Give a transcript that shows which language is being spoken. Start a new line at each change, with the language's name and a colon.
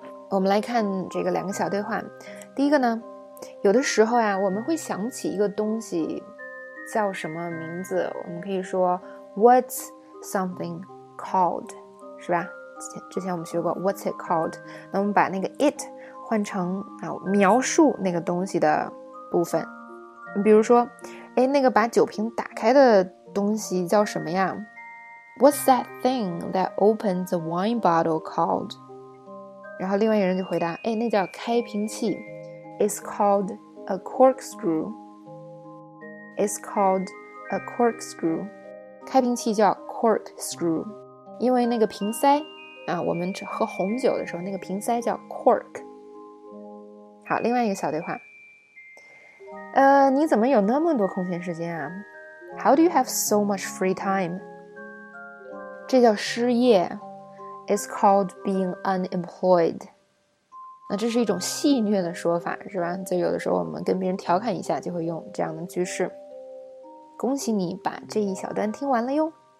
Chinese: 我们来看这个两个小对话。第一个呢，有的时候呀，我们会想起一个东西叫什么名字，我们可以说
English: "What's something called"，
Chinese: 是吧？之前我们学过
English: "What's it called"，
Chinese: 那我们把那个 "it" 换成描述那个东西的部分。比如说，哎，那个把酒瓶打开的东西叫什么呀？
English: What's that thing that opens a wine bottle called？
Chinese: 然后另外一个人就回答：“哎，那叫开瓶器，
English: It's called a corkscrew。 It's called a corkscrew。
Chinese: 开瓶器叫 corkscrew，因为那个瓶塞啊，我们喝红酒的时候，那个瓶塞叫 cork。好，另外一个小对话。你怎么有那么多空闲时间啊？
English: How do you have so much free time？这叫失业，It's called being unemployed。
Chinese: 那这是一种戏谑的说法，是吧？就有的时候我们跟别人调侃一下，就会用这样的句式。恭喜你把这一小段听完了哟。